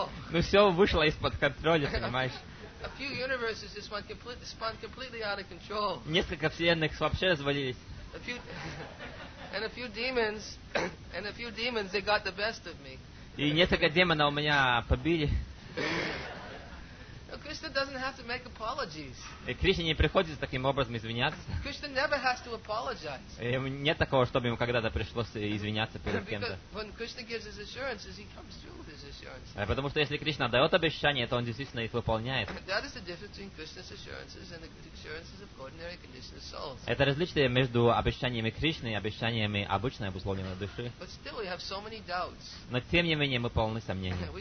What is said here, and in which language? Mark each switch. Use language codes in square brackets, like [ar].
[ru] Ну, все вышло из-под контроля, понимаешь? [en] A few universes just went spun completely out of control. [ru] Несколько вселенных вообще развалились. [en] And a few demons, they got the best of me. [ru] И несколько демонов у меня побили. [en] Krishna doesn't have to make apologies. [ru] И Кришне не приходится таким образом извиняться. [en] Krishna never has to apologize. [ru] И нет такого, чтобы ему когда-то пришлось извиняться перед кем-то. [en] When Krishna gives his assurances, he comes through with his assurances. [ru] Потому что если Кришна дает обещание, то он действительно их выполняет. [en] That is the difference between Krishna's assurances and the assurances of ordinary conditioned souls. [ru] Это различие между обещаниями Кришны и обещаниями обычной обусловленной души. [en] But still, we have so many doubts. [ru] Но тем не менее мы полны сомнений.